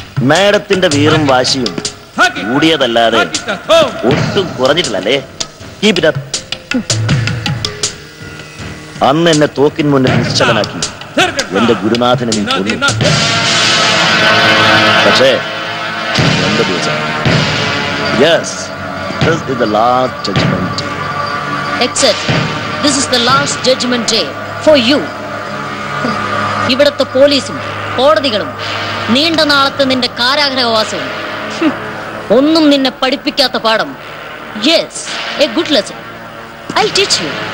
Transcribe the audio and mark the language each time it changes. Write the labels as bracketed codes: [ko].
[ml] മാഡത്തിന്റെ വീറും വാശിയും കൂടിയതല്ലാതെ ഒട്ടും കുറഞ്ഞിട്ടില്ലല്ലേ. [en] Keep it up. [ml] അന്ന് എന്നെ തോക്കിന് മുന്നിൽ നിശ്ചലനാക്കി എന്റെ ഗുരുനാഥനെ നീ കൊന്നു. പക്ഷേ എന്റെ ദിവസം. [en] Yes, this is the last judgment day. Except, this is the last judgment day for you. [ml] ഇവിടുത്തെ പോലീസും കോടതികളും നീണ്ട നാളത്തെ നിന്റെ കാരാഗ്രഹവാസവും ഒന്നും നിന്നെ പഠിപ്പിക്കാത്ത പാഠം. [en] Yes, a good lesson. I'll teach you.